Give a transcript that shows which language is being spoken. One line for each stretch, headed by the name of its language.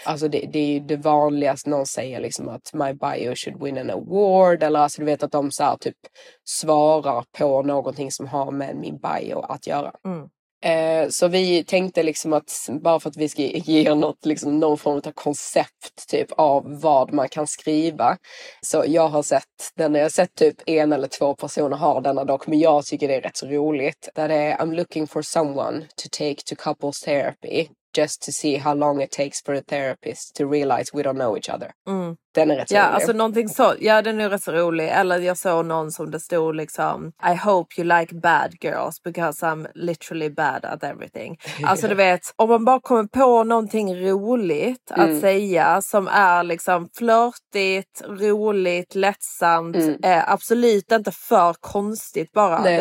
Swedish: Alltså det är ju det vanligaste någon säger liksom att
English: my bio should win an award
Swedish: eller alltså du vet att de så här typ svarar på någonting som har med min bio att göra. Mm. Så vi tänkte liksom att bara för att vi ska ge något, liksom, någon form av koncept typ av vad man kan skriva. Så jag har sett den, jag har sett typ en eller två personer har denna dock, men jag tycker det är rätt så roligt. Där det är,
English: I'm looking for someone to take to couples therapy just to see how long it takes for a therapist to realize we don't know each other.
Swedish: Den är rätt rolig. Alltså någonting så, ja, den är rätt så rolig. Eller jag såg någon som det stod liksom,
English: I hope you like bad girls because I'm literally bad at everything.
Swedish: Alltså du vet, om man bara kommer på någonting roligt att säga som är liksom flörtigt, roligt, lättsamt, absolut inte för konstigt bara. Nej.